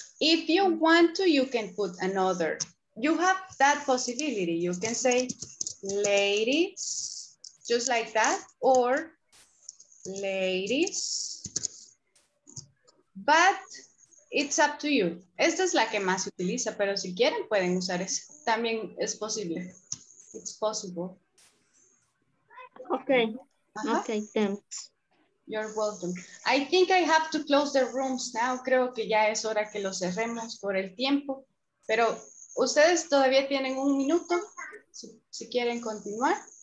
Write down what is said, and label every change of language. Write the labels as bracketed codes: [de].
[en] If you want to, you can put another. You have that possibility. You can say ladies, just like that, or ladies. But it's up to you. [es] Esta es la que más se utiliza, pero si quieren pueden usar esa. También es posible. [en] It's possible. Okay. Uh-huh. Okay, thanks. You're welcome. I think I have to close the rooms now. [es] Creo que ya es hora que los cerremos por el tiempo. Pero ustedes todavía tienen un minuto si quieren continuar.